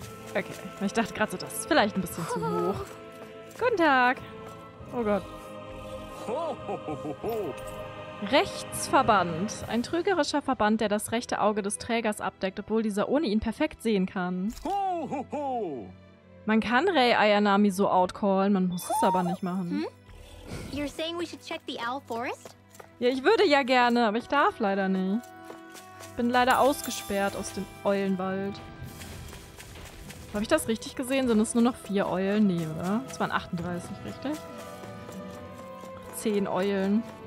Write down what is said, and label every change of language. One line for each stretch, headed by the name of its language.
German: Okay. Ich dachte gerade so, das ist vielleicht ein bisschen zu hoch. Guten Tag. Oh Gott. Rechtsverband. Ein trügerischer Verband, der das rechte Auge des Trägers abdeckt, obwohl dieser ohne ihn perfekt sehen kann. Ho, ho, ho. Man kann Rei Ayanami so outcallen, man muss es aber nicht machen. Hm?
English: You're saying we should check the Owl Forest?
German: Ja, ich würde ja gerne, aber ich darf leider nicht. Bin leider ausgesperrt aus dem Eulenwald. Habe ich das richtig gesehen? Sind es nur noch 4 Eulen? Nee, oder? Es waren 38, richtig? 10 Eulen.